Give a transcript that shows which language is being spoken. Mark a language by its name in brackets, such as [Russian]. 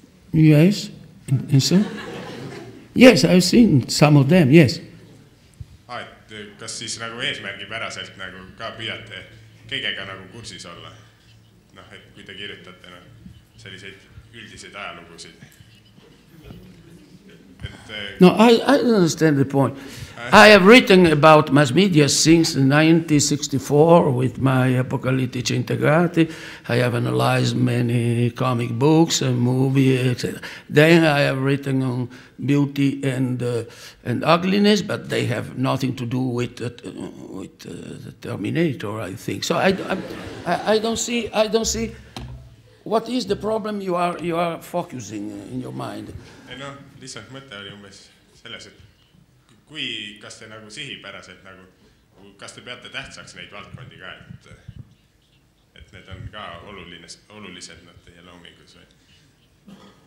[English] Yes, and so? Yes, I've seen some of them, yes. [Estonian] Kas siis nagu eesmärgi päraselt nagu ka püüate kõigega nagu kursis olla? Noh, et kui te kirjutate no, selliseid üldiseid ajalugusid. [English] No, I don't understand the point. I have written about mass media since 1964 with my Apocalittici Integrati. I have analyzed many comic books and movies, etc. Then I have written on beauty and ugliness, but they have nothing to do with the Terminator, I think. So I don't see what is the problem you are focusing in your mind. [Estonian] No, lihtsalt mõte oli umbes selles, et kui, kas te nagu sihipäraselt nagu, kas te peate tähtsaks neid valdkondi ka, et need on ka olulised nad teie loomingus või?